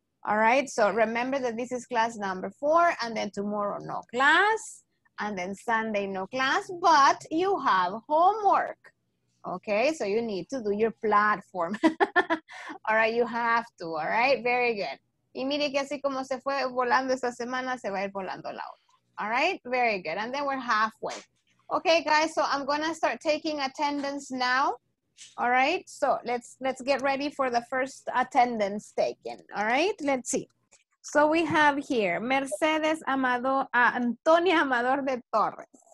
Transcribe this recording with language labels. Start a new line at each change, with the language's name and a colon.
English: All right, so remember that this is class number 4, and then tomorrow no class, and then Sunday no class, but you have homework. Okay, so you need to do your platform. All right, you have to, all right? Very good.
Spanish: Y mire que así como se fue volando esta semana, se va a ir volando la otra.
English: All right, very good. And then we're halfway. Okay, guys, so I'm going to start taking attendance now. All right, so let's get ready for the first attendance taken. All right, let's see. So we have here Mercedes Amador, Antonia Amador de Torres.